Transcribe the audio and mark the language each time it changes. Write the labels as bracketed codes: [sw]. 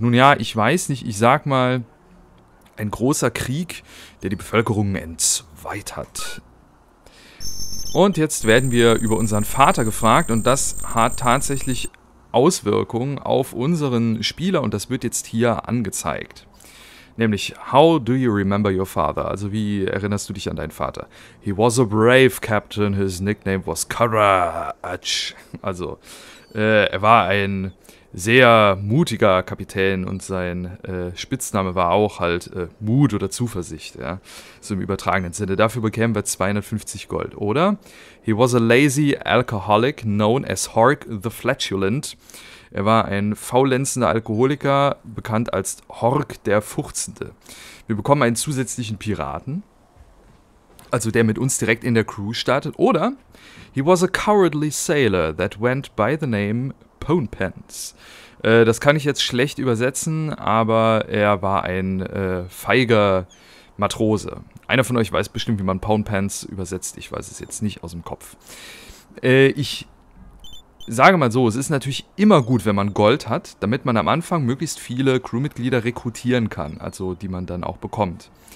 [de] Nun ja, ich weiß nicht, ich sag mal, ein großer Krieg, der die Bevölkerung entzweit hat. Und jetzt werden wir über unseren Vater gefragt und das hat tatsächlich Auswirkungen auf unseren Spieler und das wird jetzt hier angezeigt. Nämlich, [en] how do you remember your father? [de] Also, wie erinnerst du dich an deinen Vater? [en] He was a brave captain, his nickname was Courage. [de] Also, er war ein sehr mutiger Kapitän und sein Spitzname war auch halt Mut oder Zuversicht, ja. So im übertragenen Sinne. Dafür bekämen wir 250 Gold, oder? [en] He was a lazy alcoholic known as Hork the Flatulent. [de] Er war ein faulenzender Alkoholiker, bekannt als Hork der Furzende. Wir bekommen einen zusätzlichen Piraten, also der mit uns direkt in der Crew startet. [en] Oder, he was a cowardly sailor that went by the name Ponepens. [de] Das kann ich jetzt schlecht übersetzen, aber er war ein feiger Matrose. Einer von euch weiß bestimmt, wie man Ponepens übersetzt. Ich weiß es jetzt nicht aus dem Kopf. Sage mal so, es ist natürlich immer gut, wenn man Gold hat, damit man am Anfang möglichst viele Crewmitglieder rekrutieren kann, also die man dann auch bekommt.